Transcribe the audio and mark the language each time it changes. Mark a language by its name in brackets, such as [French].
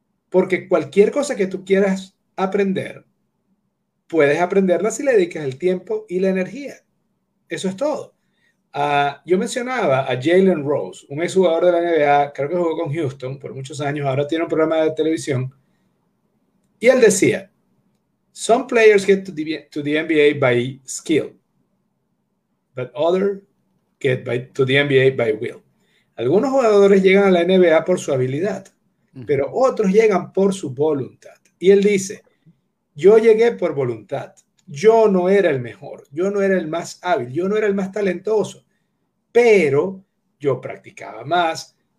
[Spanish] Porque cualquier cosa que tú quieras aprender, puedes aprenderla si le dedicas el tiempo y la energía. Eso es todo. Yo mencionaba a Jalen Rose, un exjugador de la NBA, creo que jugó con Houston por muchos años, ahora tiene un programa de televisión. Y él decía, [English] some players get to the NBA by skill, but others get to the NBA by will. [Spanish] Algunos jugadores llegan a la NBA por su habilidad, pero otros llegan por su voluntad. Y él dice, yo llegué por voluntad. Yo no era el mejor. Yo no era el más hábil. Yo no era el más talentoso. Pero yo practicaba más.